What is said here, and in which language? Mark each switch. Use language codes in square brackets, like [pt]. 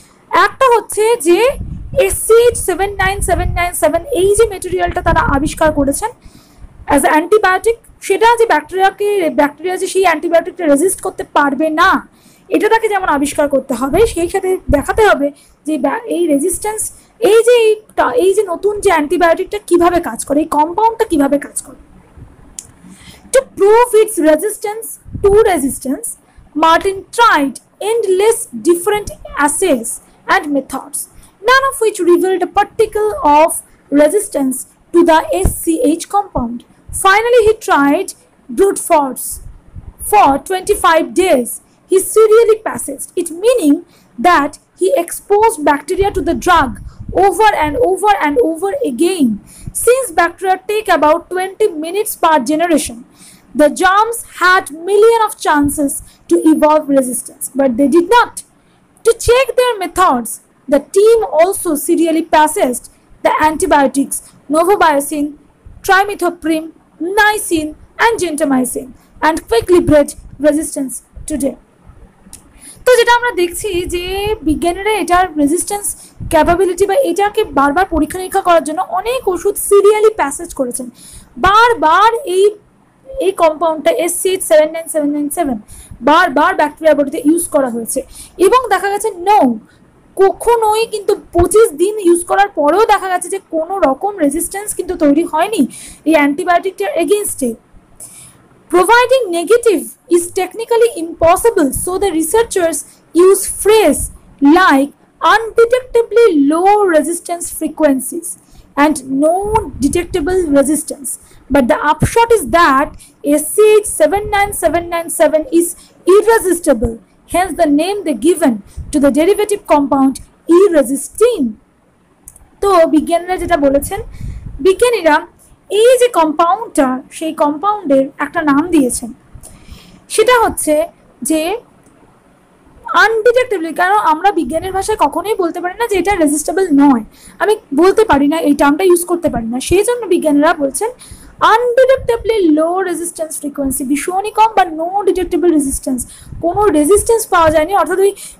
[bn] একটা হচ্ছে যে SCH 79797 এই যে মেটেরিয়ালটা তারা আবিষ্কার করেছেন অ্যাজ অ্যান্টিবায়োটিক, সেটা যে ব্যাকটেরিয়াকে ব্যাকটেরিয়া যে সেই অ্যান্টিবায়োটিকটা রেজিস্ট করতে পারবে না, এটা তাকে যেমন আবিষ্কার করতে হবে, সেই সাথে দেখাতে হবে যে এই রেজিস্ট্যান্স এই যে নতুন যে অ্যান্টিবায়োটিকটা কীভাবে কাজ করে, এই কম্পাউন্ডটা কীভাবে কাজ করে। [en] To prove its resistance to resistance, Martin tried endless different assays and methods, none of which revealed a particle of resistance to the SCH compound. Finally, he tried brute force for 25 days. He serially passed it, meaning that he exposed bacteria to the drug over and over and over again. Since bacteria take about 20 minutes per generation, the germs had millions of chances to evolve resistance, but they did not. To check their methods, the team also serially passed the antibiotics novobiocin, trimethoprim, nicin and gentamicin and quickly bred resistance today. [bn] তো যেটা আমরা দেখছি যে বিজ্ঞানীরা এটার resistance capability বা এটাকে বারবার পরীক্ষা নিরীক্ষা করার জন্য অনেক ওষুধ সিরিয়ালি প্যাসেজ করেছেন, বারবার এই এই কম্পাউন্ডটা SCH 79797 বারবার ব্যাকটেরিয়া বডিতে ইউজ করা হয়েছে, এবং দেখা গেছে কখনোই কিন্তু 25 দিন ইউজ করার পরেও দেখা গেছে যে কোনো রকম রেজিস্ট্যান্স কিন্তু তৈরি হয়নি এই অ্যান্টিবায়োটিকটার এগেনস্টে। [en] Providing negative is technically impossible, so the researchers use phrase like undetectably low resistance frequencies and no detectable resistance. But the upshot is that SCH 79797 is irresistible, hence the name they given to the derivative compound irresistine. [bn] So, বিজ্ঞানীরা যেটা বলেছেন, বিজ্ঞানীরা এই যে কম্পাউন্ডটা সেই কম্পাউন্ডের একটা নাম দিয়েছেন, সেটা হচ্ছে যে আনডিটেক্টেবল, কারণ আমরা বিজ্ঞানের ভাষায় কখনোই বলতে পারি না যে এটা রেজিস্টেবল নয়, আমি বলতে পারি না, এই টার্মটা ইউজ করতে পারি না, সেই জন্য বিজ্ঞানীরা বলছেন আনডিটেক্টেবলি লো রেজিস্ট্যান্স ফ্রিকোয়েন্সি, ভীষণই কম বা নো ডিটেক্টেবল রেজিস্ট্যান্স, কোনো রেজিস্ট্যান্স পাওয়া যায়নি, অর্থাৎ ওই